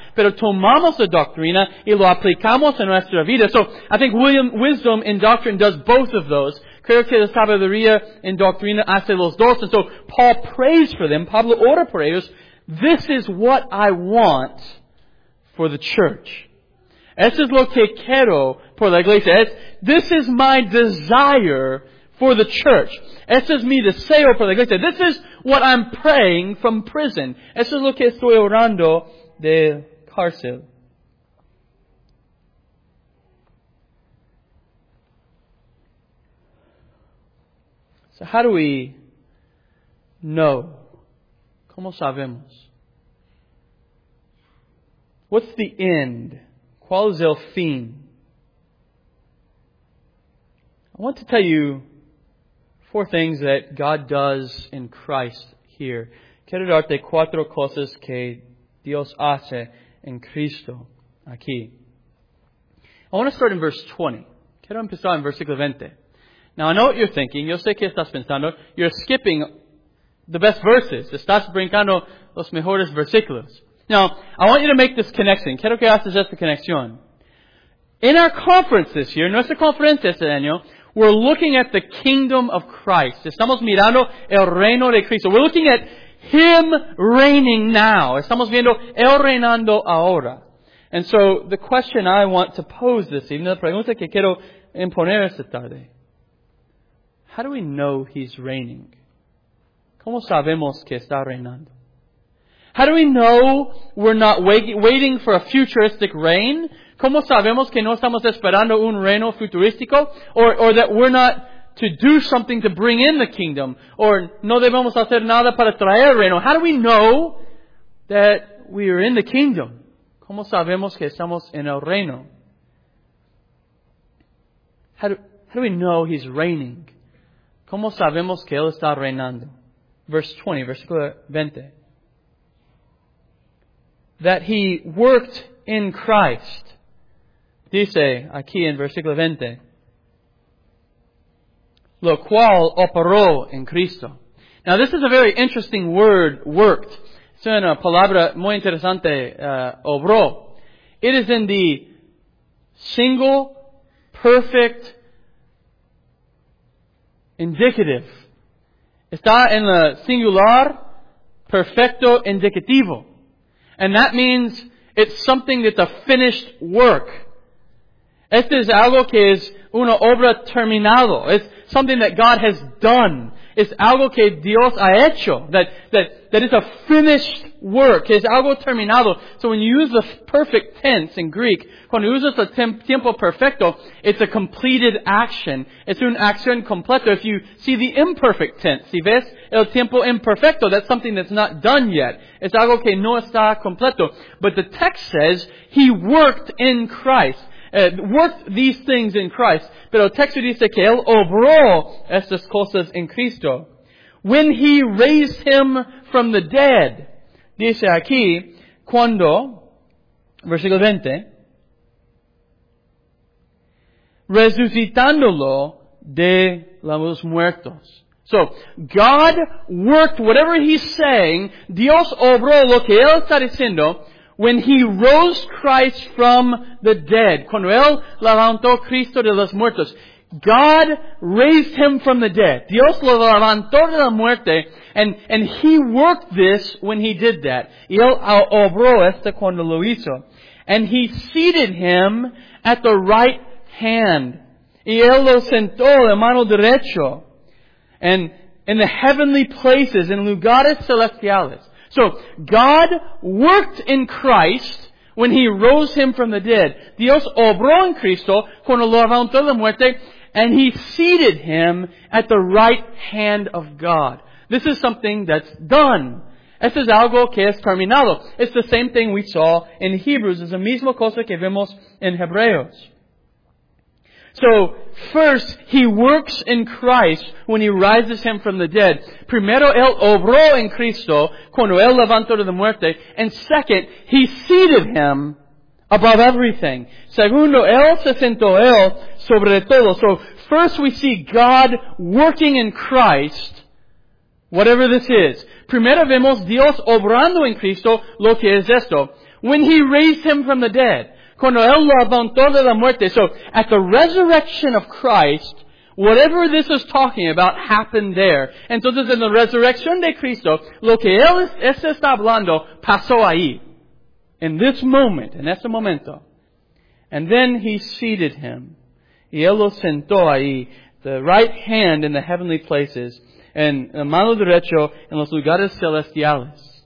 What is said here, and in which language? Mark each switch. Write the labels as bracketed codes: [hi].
[es] Pero tomamos la doctrina y lo aplicamos en nuestra vida. [en] So I think wisdom in doctrine does both of those. [es] Creo que la sabiduría en doctrina hace los dos. [en] And so Paul prays for them. [es] Pablo ora por ellos. [en] This is what I want for the church. [es] Esto es lo que quiero por la iglesia. [en] This is my desire for the church. [es] Esto es mi deseo por la iglesia. [en] This is what I'm praying from prison. [es] Esto es lo que estoy orando de cárcel. [en] So how do we know? [es] ¿Cómo sabemos? [en] What's the end? [es] ¿Cuál es el fin? [en] I want to tell you four things that God does in Christ here. [es] Quiero darte cuatro cosas que Dios hace en Cristo aquí. [en] I want to start in verse 20. [es] Quiero empezar en versículo 20. [en] Now, I know what you're thinking. [es] Yo sé qué estás pensando. [en] You're skipping the best verses. [es] Estás brincando los mejores versículos. [en] Now, I want you to make this connection. [es] Quiero que haces esta conexión. [en] In our conference this year, [es] nuestra conferencia este año, [en] we're looking at the kingdom of Christ. [es] Estamos mirando el reino de Cristo. [en] We're looking at Him reigning now. [es] Estamos viendo el reinando ahora. [en] And so, the question I want to pose this evening, [es] la pregunta que quiero imponer esta tarde, [en] how do we know He's reigning? [es] ¿Cómo sabemos que está reinando? [en] How do we know we're not waiting for a futuristic reign? [es] ¿Cómo sabemos que no estamos esperando un reino futurístico? [en] Or that we're not to do something to bring in the kingdom? Or [es] no debemos hacer nada para traer el reino? [en] How do we know that we are in the kingdom? [es] ¿Cómo sabemos que estamos en el reino? [en] How do we know He's reigning? [es] ¿Cómo sabemos que Él está reinando? [en] Verse 20. that he worked in Christ. [es] Dice aquí en versículo 20. Lo cual operó en Cristo. [en] Now this is a very interesting word, worked. [es] Es una palabra muy interesante, obró. [en] It is in the single, perfect, indicative. [es] Está en la singular, perfecto, indicativo. [en] And that means it's something that's a finished work. [es] Este es algo que es una obra terminado. [en] It's something that God has done. It's [es] algo que Dios ha hecho. [en] That is a finished work. [es] Es algo terminado. [en] So when you use the perfect tense in Greek, [es] cuando usas el tiempo perfecto, [en] it's a completed action. [es] Es una acción completa. [en] If you see the imperfect tense, [es] si ves el tiempo imperfecto, [en] that's something that's not done yet. [es] Es algo que no está completo. [en] But the text says, he worked in Christ. Worked these things in Christ. [es] Pero el texto dice que él obró estas cosas en Cristo. [en] When he raised him from the dead. [es] Dice aquí, cuando, versículo 20, resucitándolo de los muertos. [en] So, God worked whatever he's saying. [es] Dios obró lo que él está diciendo. [en] When he rose Christ from the dead, [es] cuando él levantó Cristo de los muertos, [en] God raised him from the dead. [es] Dios lo levantó de la muerte, [en] and he worked this when he did that. [es] Y él obró esto cuando lo hizo. [en] And he seated him at the right hand. [es] Y él lo sentó en mano derecho. [en] And in the heavenly places, [es] in lugares celestiales. [en] So, God worked in Christ when he rose him from the dead. [es] Dios obró en Cristo cuando lo levantó de la muerte, [en] and he seated him at the right hand of God. This is something that's done. [es] Esto es algo que es terminado. [en] It's the same thing we saw in Hebrews. [es] Es la misma cosa que vemos en Hebreos. [en] So, first, he works in Christ when he rises him from the dead. [es] Primero, él obró en Cristo cuando él levantó de la muerte. [en] And second, he seated him above everything. [es] Segundo, él se sentó él sobre todo. [en] So, first we see God working in Christ, whatever this is. [es] Primero vemos Dios obrando en Cristo lo que es esto. [en] When he raised him from the dead. [es] Cuando él lo levantó de la muerte. [en] So, at the resurrection of Christ, whatever this is talking about happened there. [es] Entonces, en la resurrección de Cristo, lo que él está hablando pasó ahí. [en] In this moment, [es] en este momento. [en] And then he seated him. [es] Y él lo sentó ahí, [en] the right hand in the heavenly places, and [es] la mano derecho en los lugares celestiales.